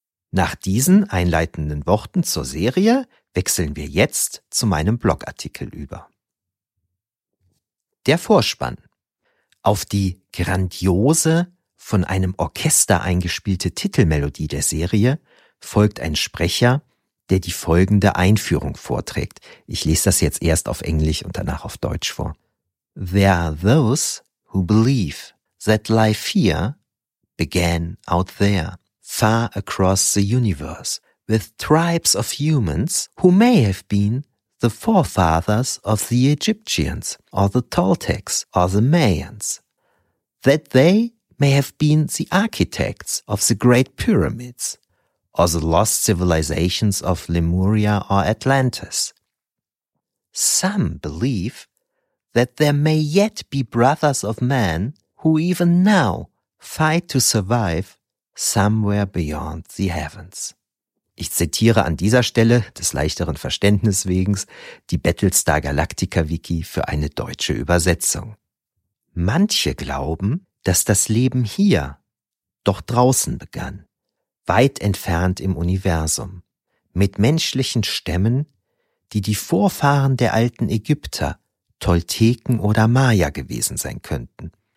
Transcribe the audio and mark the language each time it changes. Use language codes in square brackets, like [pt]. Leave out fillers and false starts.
[de] Nach diesen einleitenden Worten zur Serie wechseln wir jetzt zu meinem Blogartikel über. Der Vorspann. Auf die grandiose, von einem Orchester eingespielte Titelmelodie der Serie folgt ein Sprecher, der die folgende Einführung vorträgt. Ich lese das jetzt erst auf Englisch und danach auf Deutsch vor. [en] There are those who believe that life here began out there, far across the universe, with tribes of humans who may have been the forefathers of the Egyptians or the Toltecs or the Mayans, that they may have been the architects of the Great Pyramids or the lost civilizations of Lemuria or Atlantis. Some believe that there may yet be brothers of man who even now fight to survive somewhere beyond the heavens. [de] Ich zitiere an dieser Stelle, des leichteren Verständnis wegen, die Battlestar Galactica Wiki für eine deutsche Übersetzung. Manche glauben, dass das Leben hier doch draußen begann, weit entfernt im Universum, mit menschlichen Stämmen, die die Vorfahren der alten Ägypter, Tolteken oder Maya gewesen sein könnten.